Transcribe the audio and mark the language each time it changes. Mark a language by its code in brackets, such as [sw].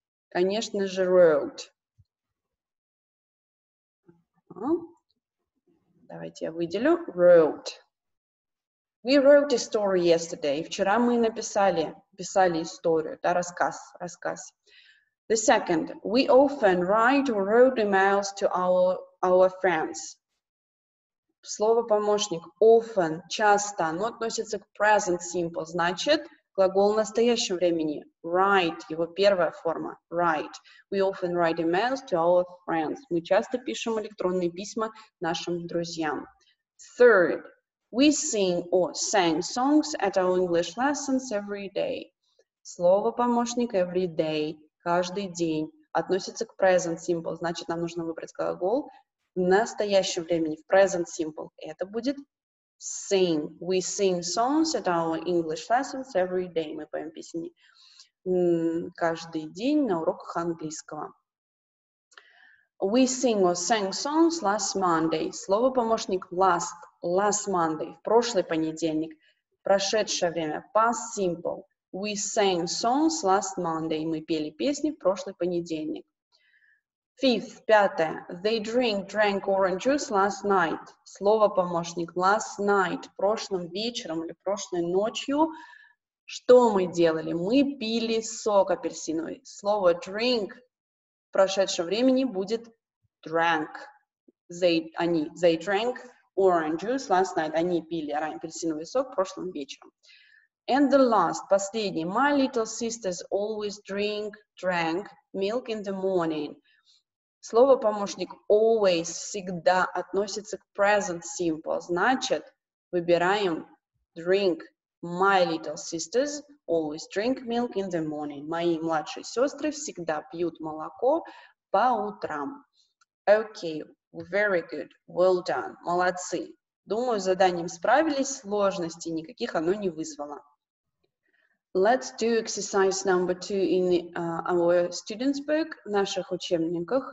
[ru] Конечно же, wrote. Давайте я выделю. Wrote. We wrote a story yesterday. Вчера мы написали, писали историю, да, рассказ, рассказ. [en] The second. We often write or wrote emails to our friends. [ru] Слово-помощник often, часто, оно относится к present simple, значит, глагол в настоящем времени. [en] Write, его первая форма. Write. We often write emails to our friends. [ru] Мы часто пишем электронные письма нашим друзьям. [en] Third. We sing or sang songs at our English lessons every day. [ru] Слово-помощник every day, каждый день, относится к present simple, значит, нам нужно выбрать глагол в настоящем времени, в present simple. Это будет sing. [en] We sing songs at our English lessons every day. [ru] Мы поем песни каждый день на уроках английского. [en] We sing or sang songs last Monday. Слово-помощник last Monday, в прошлый понедельник, прошедшее время, past simple. We sang songs last Monday. [ru] Мы пели песни в прошлый понедельник. [en] Fifth, пятое. They drank orange juice last night. [ru] Слово-помощник last night, прошлым вечером или прошлой ночью. Что мы делали? Мы пили сок апельсиновый. Слово drink в прошедшем времени будет drank. [en] They drank orange juice last night. [ru] Они пили апельсиновый сок прошлым вечером. [en] And the last, последний. My little sisters always drank milk in the morning. [ru] Слово-помощник always, всегда, относится к present simple. Значит, выбираем drink. [en] My little sisters always drink milk in the morning. [ru] Мои младшие сестры всегда пьют молоко по утрам. [en] Okay, very good. Well done. Молодцы. [ru] Думаю, с заданием справились. Сложностей никаких оно не вызвало. [en] Let's do exercise number two in our student's book, в наших учебниках.